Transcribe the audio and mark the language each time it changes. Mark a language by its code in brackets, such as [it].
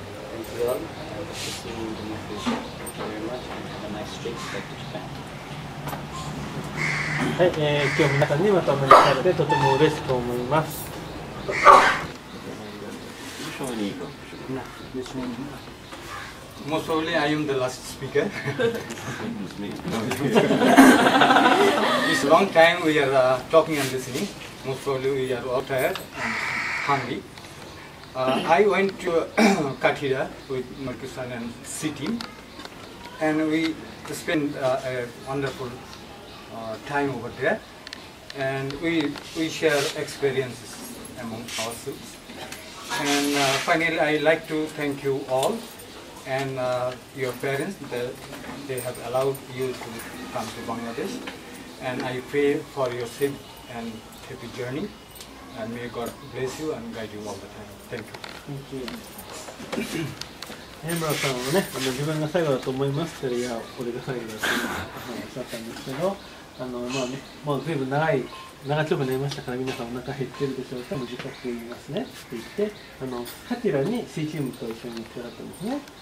[en] Thank you all. I hope to see you in the near future. Thank you very much, and have a nice trip back to Japan. [ja] はい、今日皆さんにまたお目にかかれてとても嬉しく思います。もうそれ、 [en] I am the last speaker. It's long time we are talking and listening. Most probably we are all tired and hungry. I went to Kathira with Marcus-san and Siti, and we spent a wonderfultime over there, and we share experiences among ourselves. And finally, I'd like to thank you all and your parents that they have allowed you to come to Bangladesh. And I pray for your safe and happy journey, and may God bless you and guide you all the time. Thank you. Thank you. [ja] 江村さんはね、自分が最後だと思いますけど、いや、これが最後だと思ったんですけど、まあね、もう随分長丁場になりましたから、皆さんお腹減ってるでしょうか、短く言いますねって言って、カティラに C チームと一緒に行ってらったんですね。